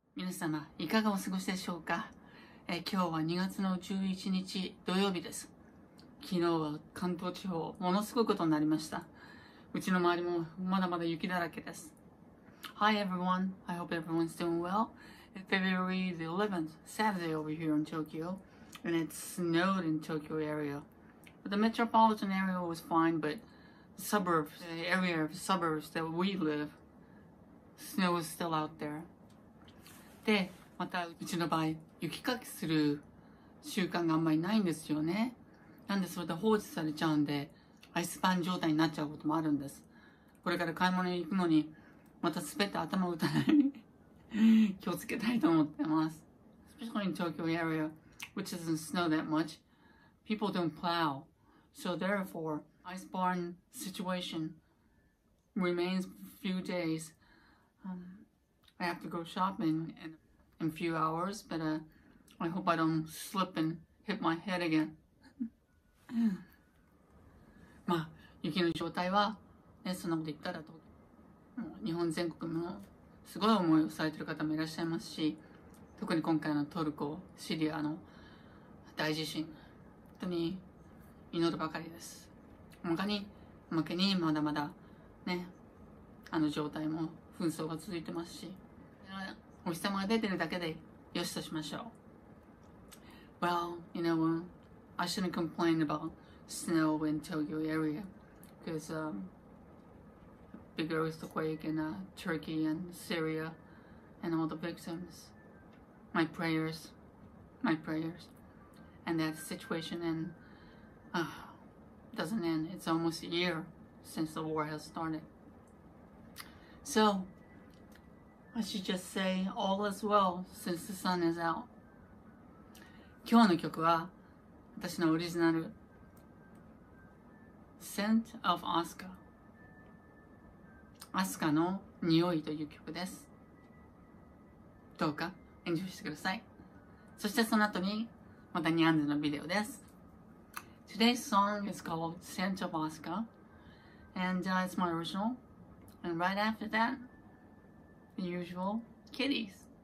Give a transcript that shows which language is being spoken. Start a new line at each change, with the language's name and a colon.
Japanese: 皆様いかがお過ごしでしょうか。今日は2月の11日土曜日です。昨日は関東地方ものすごいことになりました。うちの周りもまだまだ雪だらけです。
English: Hi everyone, I hope everyone's doing well. It's February the 11th, Saturday over here in Tokyo, and it snowed in Tokyo area. But the metropolitan area was fine, but suburbs, the area of suburbs that we live, snow is still out there.
Japanese: で、またうちの場合、雪かきする習慣があんまりないんですよね。なんでそれで放置されちゃうんで、アイスバーン状態になっちゃうこともあるんです。これから買い物に行くのに、また滑って頭を打たない。気をつけたいと思ってます。
English: Especially in Tokyo area, which doesn't snow that much, people don't plow. So therefore, ice barn situation remains a few days. I have to go shopping in a few hours, but I hope I don't slip and hit my head again.
Japanese: まあ、雪の状態は、ね、そんなこと言ったらと、日本全国のすごい思いをされている方もいらっしゃいますし、特に今回のトルコ、シリアの大地震、本当に祈るばかりです。おまけにまだまだね、あの状態も紛争が続いてますし、お日様が出てるだけでよしとしましょう。
English: Well, you know, I shouldn't complain about snow in Tokyo area, because big earthquake in Turkey and Syria and all the victims. My prayers. And that situation and doesn't end. It's almost a year since the war has started. So, I should just say all is well since the sun is out.
Japanese: 今日の曲は私のオリジナル Scent of Ascaアスカの匂いという曲です。どうか演奏してください。そしてその後にまたニャンズのビデオです。
English: Today's song is called Scent of Ascaand it's my original, and right after that the usual kitties.